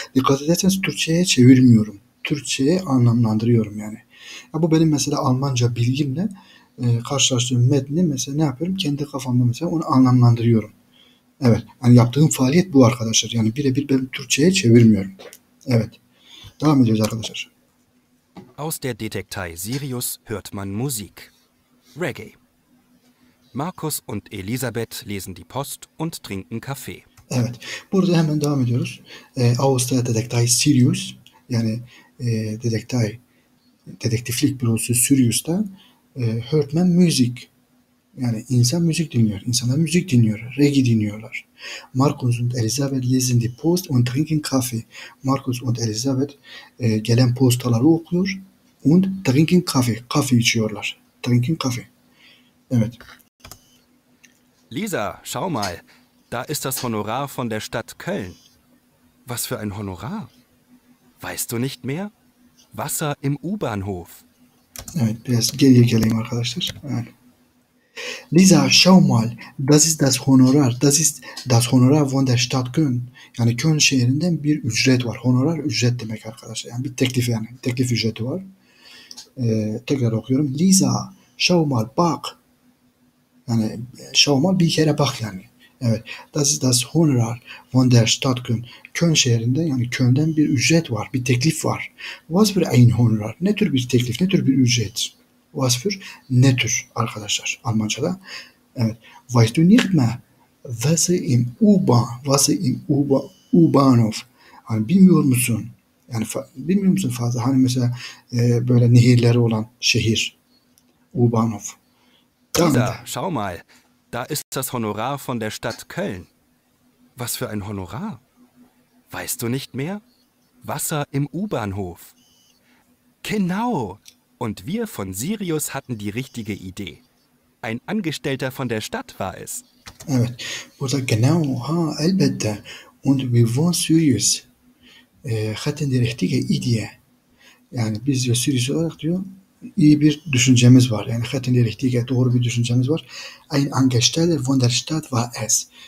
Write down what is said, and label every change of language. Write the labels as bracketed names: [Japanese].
[Turkish] Dikkat ederseniz Türkçe'ye çevirmiyorum. Türkçe'ye anlamlandırıyorum yani. Ya bu benim mesela Almanca bilgimle karşılaştığım metni mesela ne yapıyorum? Kendi kafamda mesela onu anlamlandırıyorum. Evet. Yani yaptığım faaliyet bu arkadaşlar. Yani birebir ben Türkçe'ye çevirmiyorum. Evet. Devam ediyoruz arkadaşlar. [German] Aus der Detektei Sirius hört man Musik. Reggae. Markus und Elisabeth lesen die Post und trinken Kaffee. [Turkish] Evet. Burada hemen devam ediyoruz. Ağustos'ta Detektay Sirius yani Detektay dedektiflik bürosu Sirius'ta Hörtmen müzik. Yani insan müzik dinliyor. İnsanlar müzik dinliyor. Reggae dinliyorlar. [German] Markus und Elisabeth lesen die Post und trinken Kaffee. Markus und Elisabeth [Turkish] gelen postaları okuyor [German] und trinken Kaffee. Kaffee [Turkish] içiyorlar. [German] Trinken Kaffee. Evet. Lisa, schau mal, da ist das Honorar von der Stadt Köln. Was für ein Honorar? Weißt du nicht mehr? Wasser im U-Bahnhof. [Turkish] Evet, biraz geriye geleyim arkadaşlar. Yani. [German] Lisa, schau mal, das ist das Honorar. Das ist das Honorar von der Stadt Köln. [Turkish] Yani Köln şehrinden bir ücret var. Honorar ücret demek arkadaşlar. Yani bir teklif yani. Teklif ücreti var. Tekrar okuyorum. [German] Lisa, schau mal, [Turkish] bak. Yani [German] schau mal, [Turkish] bir kere bak yani. Evet. [German] Das ist das Honorar von der Stadt Köln. [Turkish] Köln şehrinde yani Köln'den bir ücret var, bir teklif var. [German] Was für ein Honorar? [Turkish] Ne tür bir teklif, ne tür bir ücret? [German] Was für [Turkish] ne tür arkadaşlar Almanca'da? [German] Evet. Weißt du nicht mehr? Was im U-Bahn? Was im U-Bahnhof? [Turkish] Hani bilmiyor musun? Yani bilmiyor musun fazla? Hani mesela böyle nehirleri olan şehir. U-Bahnhof. Devam [German] Lisa, [Turkish] edelim. [German] schau mal, da ist das Honorar von der Stadt Köln. Was für ein Honorar? Weißt du nicht mehr? Wasser im U-Bahnhof. Genau! Und wir von Sirius hatten die richtige Idee. Ein Angestellter von der Stadt war es. [Turkish] Evet. Burada [German] genau, [Turkish] ha, elbette. [German] Und wir von Sirius hatten die richtige Idee. [Turkish] Yani biz de Sirius olarak diyor, iyi bir düşüncemiz var. Yani [German] hatten die richtige, [Turkish] doğru bir düşüncemiz var. [German] Ein Angestellter von der Stadt war es.